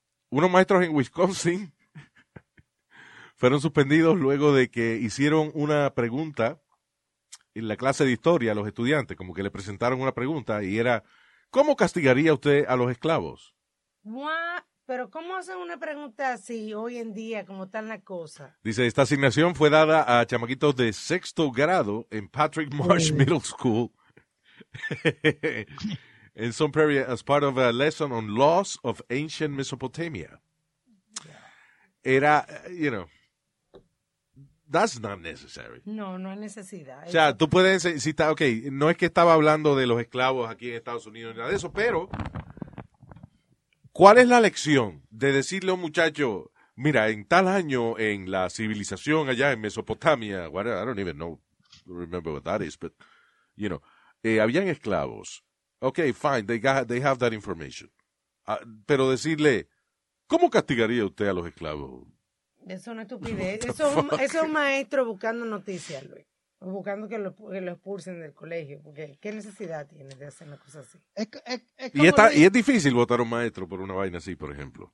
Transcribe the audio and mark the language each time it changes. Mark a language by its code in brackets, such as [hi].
[es] Unos maestros en Wisconsin fueron suspendidos luego de que hicieron una pregunta en la clase de historia a los estudiantes, como que le presentaron una pregunta y era, ¿cómo castigaría usted a los esclavos? [en] ¿What? [es] ¿Pero cómo hacen una pregunta así hoy en día, cómo están las cosas? Dice, esta asignación fue dada a chamaquitos de sexto grado en Patrick Marsh Middle School. [en] En Sun Prairie, as part of a lesson on laws of ancient Mesopotamia. Yeah. Era, you know, that's not necessary. [es] No hay necesidad. O sea, tú puedes enseñar, si está, ok, no es que estaba hablando de los esclavos aquí en Estados Unidos ni nada de eso, pero... ¿Cuál es la lección de decirle a un muchacho, mira, en tal año, en la civilización allá en Mesopotamia, [en] I don't even know, remember what that is, but, you know, [es] habían esclavos. [en] Okay, fine, they have that information. [es] Pero decirle, ¿cómo castigaría usted a los esclavos? Eso es una estupidez. Eso es un maestro buscando noticias, Luis. Buscando que lo expulsen del colegio, porque qué necesidad tiene de hacer una cosa así. Y es difícil votar a un maestro por una vaina así, por ejemplo.